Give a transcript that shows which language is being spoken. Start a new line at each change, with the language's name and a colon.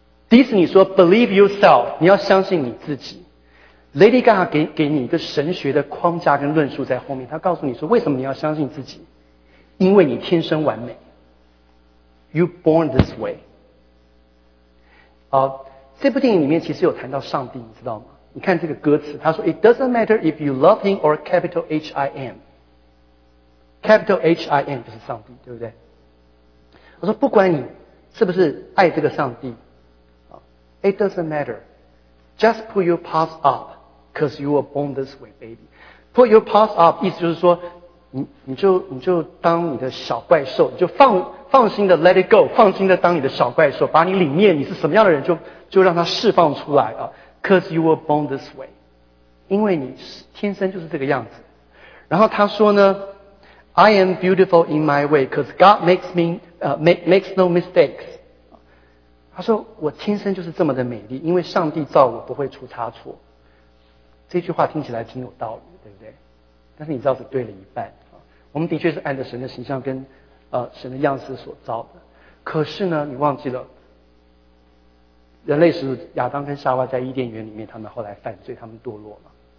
Chinese: 迪士尼说
English: Believe Yourself，
Chinese: 你要相信你自己。Lady Gaga 给你一个神学的框架跟论述在后面，他告诉你说为什么你要相信自己，因为你天生完美。
English: You Born This Way。
Chinese: 这部电影里面其实有谈到上帝，你知道吗？你看这个歌词，他说
English: It doesn't matter if you love him or capital H-I-M，
Chinese: Capital H-I-M 就是上帝，对不对？我说不管你是不是爱这个上帝，
English: It doesn't matter. Just put your paws up because you were born this way, baby. Put your paws up
Chinese: 意思就是说 你就当你的小怪兽，你就 放心的
English: let it go，
Chinese: 放心的当你的小怪兽，把你里面你是什么样的人就让它释放出来啊。
English: Because you were born this way，
Chinese: 因为你天生就是这个样子。然后他说呢，
English: I am beautiful in my way, because God makes me, makes no mistakes.
Chinese: 他说我天生就是这么的美丽，因为上帝造我不会出差错。这句话听起来挺有道理，对不对？但是你知道只对了一半。我们的确是按着神的形象跟神的样式所造的。可是呢，你忘记了，人类是亚当跟夏娃在伊甸园里面，他们后来犯罪，他们堕落了。